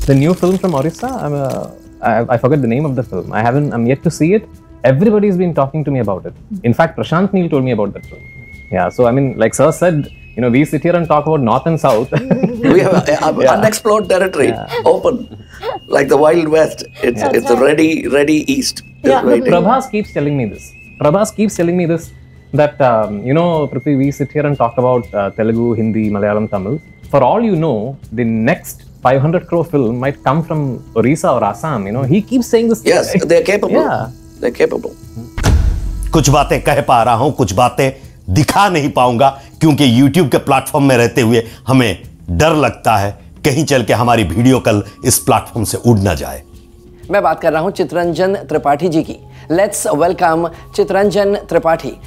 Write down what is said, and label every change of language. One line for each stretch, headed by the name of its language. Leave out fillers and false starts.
English: The new film from Orissa, I forget the name of the film, I haven't, I am yet to see it. Everybody has been talking to me about it. In fact Prashanth Neel told me about that film. Yeah so I mean, like sir said, you know, we sit here and talk about north and south, we have unexplored territory, open like the wild west, it's ready ready east. Prabhas keeps telling me this, that you know, Prithvi, we sit here and talk about Telugu, Hindi, Malayalam, Tamil. For all you know, the next 500 crore film might come from Orissa or Assam. You know, he keeps saying this. Yes, they're capable. Yeah, they're capable.
Hindi: कुछ बातें कह पा रहा हूँ, कुछ बातें दिखा नहीं पाऊंगा, क्योंकि YouTube के प्लेटफॉर्म में रहते हुए हमें डर लगता है कहीं चल के हमारी वीडियो कल इस प्लेटफॉर्म से उड़ ना जाए। मैं बात कर रहा हूँ चित्रंजन त्रिपाठी जी की।
English: let's welcome
Hindi: Chittaranjan Tripathi.